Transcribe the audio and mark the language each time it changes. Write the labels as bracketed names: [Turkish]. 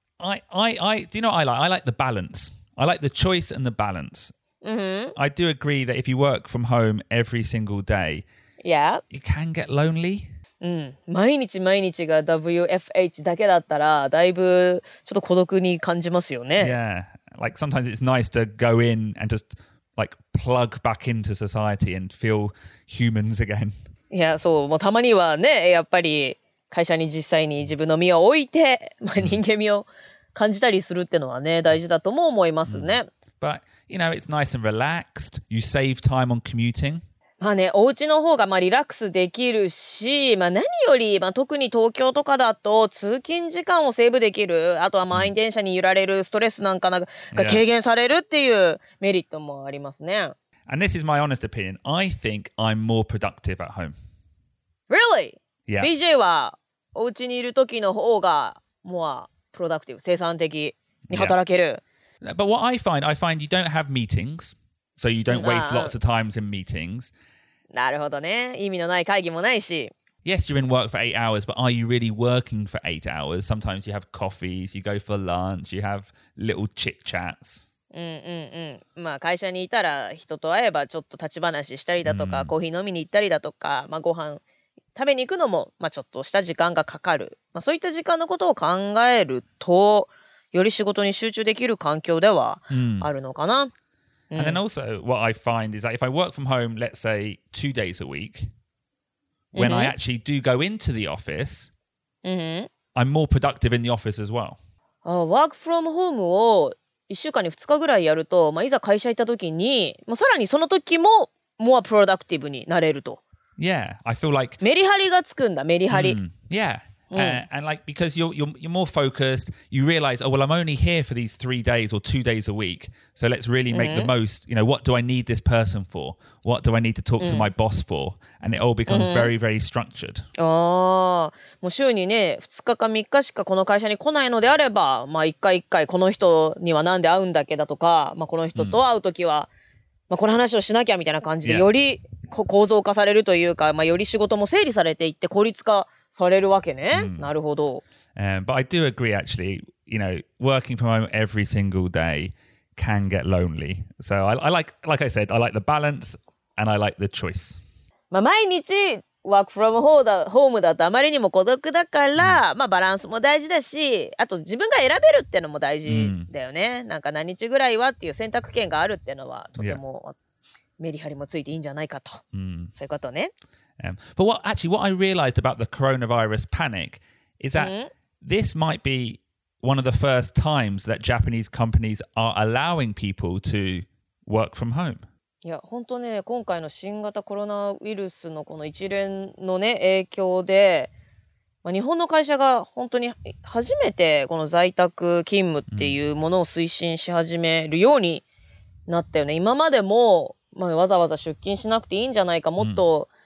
[English] I do you know what I like? I like the balance. I like the choice and the balance.、 Mm-hmm. I do agree that if you work from home every single day, yeah, you can get lonely.、 [Japanese] うん、毎日毎日が WFH だけだったらだいぶちょっと孤独に感じますよね。 [English] Yeah, like sometimes it's nice to go in and just like plug back into society and feel humans again. [Japanese] Yeah, so, もうたまにはね、やっぱり会社に実際に自分の身を置いて、まあ、人間味を感じたりするってのはね、大事だとも思いますね。 [English] But, you know, it's nice and relaxed. You save time on commuting. [Japanese] まあね、お家の方がまあリラックスできるし、まあ、何より、まあ、特に東京とかだと通勤時間をセーブできる、あとは満員電車に揺られるストレスなんかが、yeah. 軽減されるっていうメリットもありますね。 [English] And this is my honest opinion. I think I'm more productive at home. Really? Yeah. [Japanese] BJ はお家にいる時の方が [English] more productive, [Japanese] 生産的に働ける。 [English] Yeah. But what I find you don't have meetings. So you don't waste lots of times in meetings. [Japanese] なるほどね。意味のない会議もないし。 [English] Yes, you're in work for 8 hours, but are you really working for 8 hours? Sometimes you have coffees, you go for lunch, you have little chit-chats. [Japanese] まあ会社にいたら人と会えばちょっと立ち話したりだとか、コーヒー飲みに行ったりだとか、まあご飯食べに行くのも、まあちょっとした時間がかかる。まあそういった時間のことを考えると、より仕事に集中できる環境ではあるのかな。 [English] And then also, what I find is that if I work from home, let's say, 2 days a week, when、mm-hmm. I actually do go into the office,、 mm-hmm. I'm more productive in the office as well. Work from home [Japanese] を1週間に2日ぐらいやると、まあ、いざ会社行った時に、まあ、さらにその時も [English] more productive [Japanese] になれると。 [English] Yeah, I feel like... [Japanese] メリハリがつくんだ、メリハリ。 [English] Yeah. And like, because you're more focused, you realize, oh, well, I'm only here for these 3 days or 2 days a week. So let's really make、mm-hmm. the most, you know, what do I need this person for? What do I need to talk、mm-hmm. to my boss for? And it all becomes、mm-hmm. very, very structured. [Japanese] もう週にね、2日か3日しかこの会社に来ないのであれば、まあ1回1回この人にはなんで会うんだっけだとか、まあこの人と会うときは、mm-hmm. まあこの話をしなきゃみたいな感じで、より構造化されるというか、まあより仕事も整理されていって効率化されるわけね。なるほど。 [English] But I do agree actually, you know, working from home every single day can get lonely. So I like I said, I like the balance and I like the choice. [Japanese] まあ毎日 [English] work from home [Japanese] だとあまりにも孤独だから、まあバランスも大事だし、あと自分が選べるってのも大事だよね。なんか何日ぐらいはっていう選択権があるってのはとてもメリハリもついていいんじゃないかと。そういうことね。 [English] But what actually what I realized about the coronavirus panic is that、mm-hmm. this might be one of the first times that Japanese companies are allowing people to work from home. [Japanese] いや本当ね今回の新型コロナウイルスのこの一連のね影響で、まあ、日本の会社が本当に初めてこの在宅勤務っていうものを推進し始めるようになったよね。今までも、まあ、わざわざ出勤しなくていいんじゃないかもっと、mm-hmm.